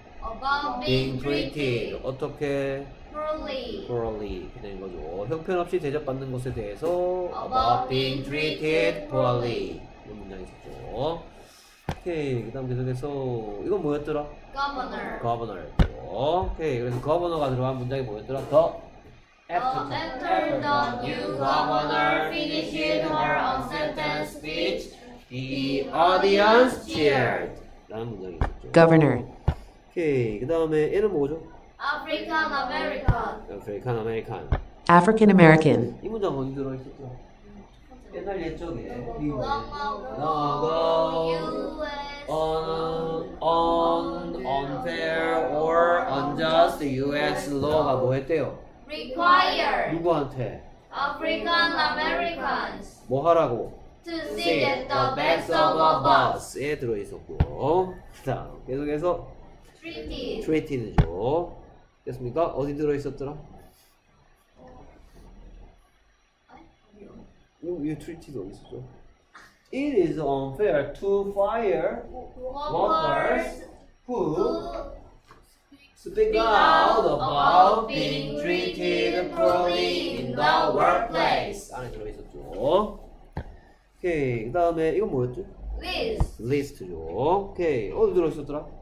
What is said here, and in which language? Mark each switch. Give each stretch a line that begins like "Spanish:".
English: about being treated
Korean: 어떻게
English: poorly
Korean: 이렇게 되는 거죠. 형편없이 대접받는 것에 대해서
English: about being treated poorly
Korean: 이런 문장이 있었죠. 오케이, 그 다음 계속해서 이건 뭐였더라?
English: governor
Korean: 오케이, 그래서 governor가 들어간 문장이 뭐였더라? the
English: After the new governor finished her unsentence speech, the audience cheered.
Korean: 라는 문장이 있었죠.
English: Governor.
Korean: 오케이, 그 다음에 얘는 뭐죠?
English: African American. African-American.
Korean: 이 문장 어디 들어있었죠? 옛날 옛적에.
English: Long ago, U.S. On unfair or unjust U.S.
Korean: law가 뭐 했대요?
English: Require
Korean: 누구한테?
English: African Americans
Korean: 뭐 하라고?
English: To sit at the backs of a bus
Korean: 에 들어있었고 자 계속해서 Treaty죠 됐습니까? 어디 들어있었더라? 이 Treaty도 어디 있었죠?
English: It is unfair to fire workers who Speak out about being treated poorly in the workplace.
Korean: 안에 들어 있었죠. 오케이, 그다음에 이건 뭐였죠? List죠. 오케이, 어디 들어 있었더라?